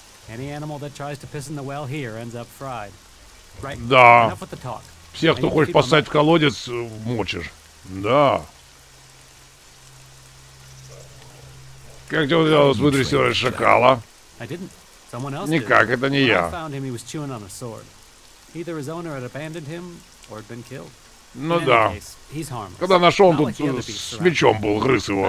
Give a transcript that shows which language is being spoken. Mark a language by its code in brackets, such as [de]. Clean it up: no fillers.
[en] Any animal that tries to piss in the well here ends up fried. Right. Да. Enough with the talk. [ru] Всех, кто хочет поссать в колодец, мочишь. Да. Как тебе удалось вытрясти шакала? [en] I didn't. Someone else did. [ru] Никак, это не я. [en] I found him, he was chewing on a sword. Either his owner had abandoned him or had been killed. [ru] Ну да. Когда нашел, он тут с мечом был, грыз его.